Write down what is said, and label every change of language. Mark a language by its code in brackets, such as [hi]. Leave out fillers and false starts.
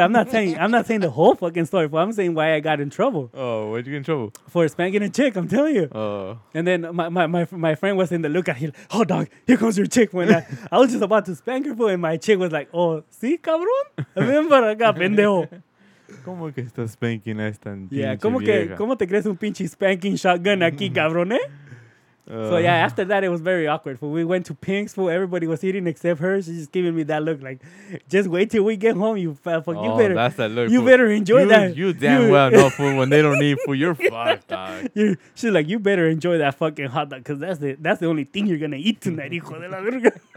[en] I'm not saying the whole fucking story, fool. I'm saying why I got in trouble. Oh, why'd you get in trouble? For spanking a chick, I'm telling you. Oh. And then my friend was in the lookout. He's like, oh, dog, here comes your chick. When I was just about to spank her, fool, and my chick was like, [es] oh, sí, cabrón? [en] Remember, [es] acá, pendejo. ¿Cómo que estás spanking a esta pinche vieja? Yeah, ¿cómo te crees un pinche spanking shotgun aquí, cabrón, eh? [en] So, yeah, after that, it was very awkward. But we went to Pink's, fool. Everybody was eating except her. She's just giving me that look like, just wait till we get home, you fat fuck. You better, that's that look, you better enjoy you, that. You damn well know, fool, when they don't eat food, you're fucked, dog. She's like, you better enjoy that fucking hot dog because that's the only thing you're going to eat tonight, [es] hijo de la verga.